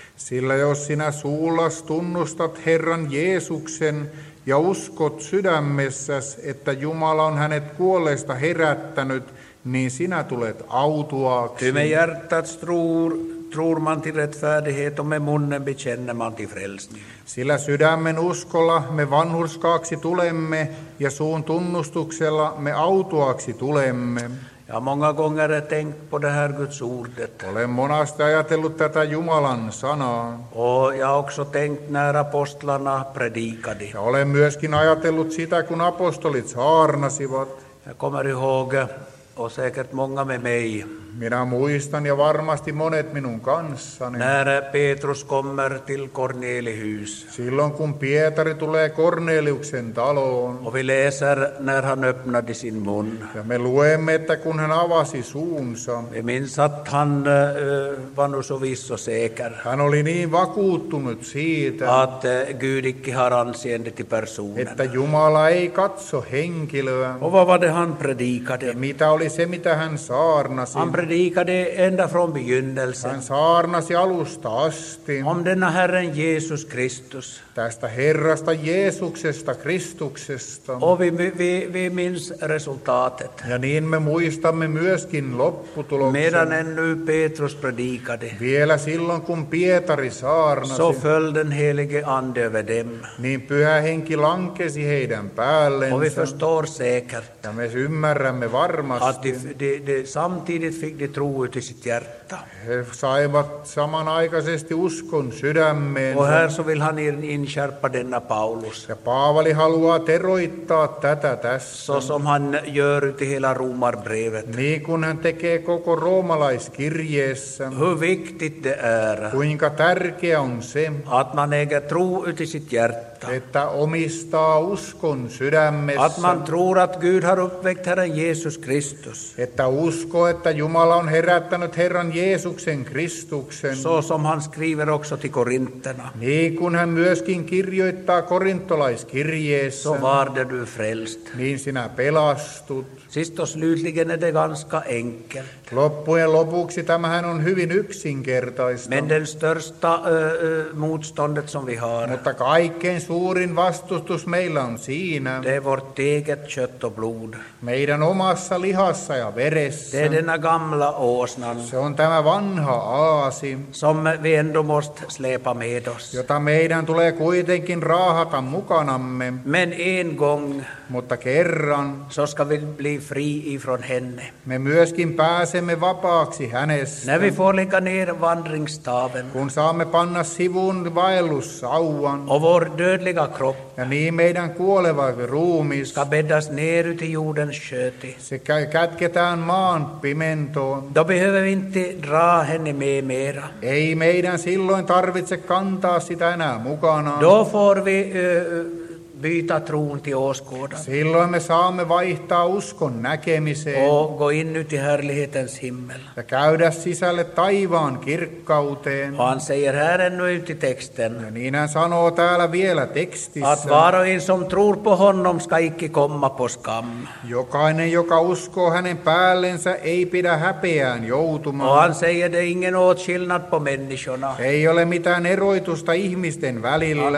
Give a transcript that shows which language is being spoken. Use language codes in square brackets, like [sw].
[fi] Sillä jos sinä suullas tunnustat Herran Jeesuksen ja uskot sydämessäs, että Jumala on hänet kuolleesta herättänyt, niin sinä tulet autuaksi. [sv] Ty med hjärtat tror man till rättfärdighet och med munnen bekänner man till frälsning. [fi] Sillä sydämen uskolla me vanhurskaaksi tulemme ja suun tunnustuksella me autuaksi tulemme. [sv] Ja många gånger har tänkt på det här Guds ordet. [fi] Olen monasti ajatellut tätä Jumalan sanaa. [sv] Ja också tänkt när apostlarna predikade. [fi] Ja olen myöskin ajatellut sitä, kun apostolit saarnasivat. [sv] Jag kommer ihåg, och säkert många med mig. [fi] Minä muistan ja varmasti monet minun kanssani. [sv] När Petrus kommer till Kornelihus. [fi] Silloin kun Pietari tulee Korneliuksen taloon. [sv] Och vi läser när han öppnade sin mun. [fi] Ja me luemme, että kun hän avasi suunsa. [sv] Vi minns att han var nu så viss och säker. [fi] Hän oli niin vakuuttunut siitä. [sv] Att Gud icke har anseende till personen. [fi] Että Jumala ei katso henkilöä. [sv] Och vad var det han predikade? [fi] Ja mitä oli se, mitä hän saarnasi? [sv] Han predikade ända från begynnelsen. [fi] Han saarnasi alusta asti. [sv] Om denna Herren Jesus Kristus. [fi] Tästä Herrasta Jeesuksesta Kristuksesta. [sv] Och vi minns resultatet. [fi] Ja niin me muistamme myöskin lopputuloksen. [sv] Medan ännu Petrus predikade. [fi] Vielä silloin, kun Pietari saarnasi. [sv] Så föll den helige ande över dem. [fi] Niin pyhä henki lankesi heidän päällensä. [sv] Och vi förstår säkert. [fi] Ja me ymmärrämme varmasti. [sv] Att de samtidigt fick de tro ut i sitt hjärta. [fi] He saivat samanaikaisesti uskon sydämeen. [sv] Och här så vill han inskärpa denna Paulus. [fi] Ja Paavali haluaa teroittaa tätä tässä. [sv] Så som han gör ut i hela romarbrevet. [fi] Niin kuin hän tekee koko roomalaiskirjeessä. [sv] Hur viktigt det är. [fi] Kuinka tärkeä on se. [sv] Att man äger tro ut i sitt hjärta. [fi] Että omistaa uskon sydämessä. [sv] Att man tror att Gud har uppväckt Herren Jesus Kristus. [fi] Että usko, että Jumala on herättänyt Herran Jeesuksen Kristuksen. [sv] Så som han skriver också till korintterna. [fi] Niin kun hän myöskin kirjoittaa korintolaiskirjeessä. [sv] Så var det du frälst. [fi] Niin sinä pelastut. [sv] Sist och slutligen är det ganska enkelt. [fi] Loppujen lopuksi tämähän on hyvin yksinkertaista. [sv] Men den största motståndet som vi har. [fi] Mutta kaikkein suurin vastustus meillä on siinä. [sv] Det är vårt eget kött och blod. [fi] Meidän omassa lihassa ja veressä. [sv] Det är denna gamla åsnan. [fi] Se on tämä vanha aasi. [sv] Som vi ändå måste släpa med oss. [fi] Jota meidän tulee kuitenkin raahata mukanamme. [sv] Men en gång. [fi] Mutta kerran. [sv] Så ska vi bli fria från henne. [fi] Me myöskin pääsemme vapaaksi hänestä. [sv] När vi får lägga ner vandringsstaven. [fi] Kun saamme panna sivun vaellussauvan. [sv] Och vår dödliga kropp. [fi] Ja niin meidän kuoleva ruumis. [sv] Ska bäddas ner ut i jorden sköti. [fi] Se kätketään maan pimentoon. [sv] Då behöver vi inte dra henne med mera. [fi] Ei meidän silloin tarvitse kantaa sitä enää mukanaan. [sv] Då får vi byta tron till åskådan. [fi] Silloin me saamme vaihtaa uskon näkemiseen. [sv] Och gå in ut i härlighetens himmel. [fi] Ja käydä sisälle taivaan kirkkauteen. [sv] Han säger här ännu ut i texten. [fi] Ja niin hän sanoo täällä vielä tekstissä. [sv] Att var och en som tror på honom ska icke komma på skam. [fi] Jokainen, joka uskoo hänen päällensä, ei pidä häpeään joutumaan. [sv] Och han säger det ingen åtskillnad på människorna. [fi] Ei ole mitään eroitusta ihmisten välillä.